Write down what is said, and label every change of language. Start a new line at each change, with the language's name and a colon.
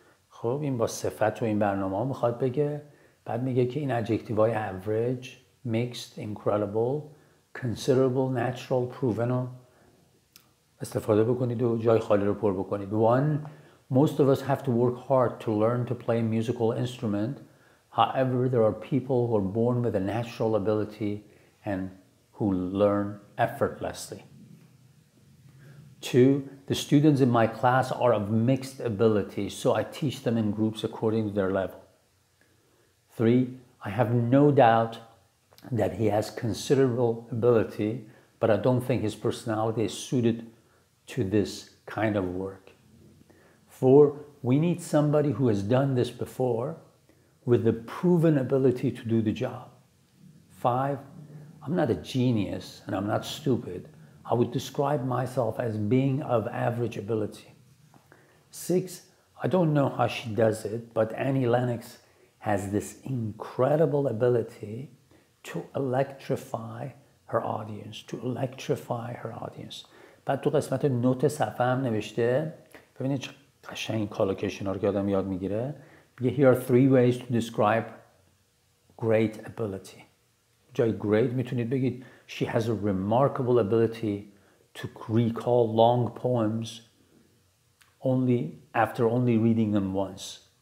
Persian: خب این با صفت و این برنامه ها میخواد بگه، بعد میگه که این adjective های
English: average, mixed, incredible, considerable, natural, proven
Persian: استفاده بکنید و جای خالی رو پر بکنید.
English: 1: Most of us have to work hard to learn to play a musical instrument. However, there are people who are born with a natural ability and who learn effortlessly. 2: The students in my class are of mixed ability, so I teach them in groups according to their level. 3: I have no doubt that he has considerable ability, but I don't think his personality is suited to this kind of work. 4: We need somebody who has done this before with the proven ability to do the job. 5: I'm not a genius and I'm not stupid. I would describe myself as being of average ability. 6. I don't know how she does it, but Annie Lennox has this incredible ability to electrify her audience.
Persian: بعد تو قسمت نوت صفحه هم نوشته، ببینید چه قشنگ کالوکیشن ها رو که آدم یاد میگیره. میگه
English: here are three ways to describe great ability.
Persian: جای great میتونید بگید
English: she has a remarkable ability to recall long poems only after only reading them once.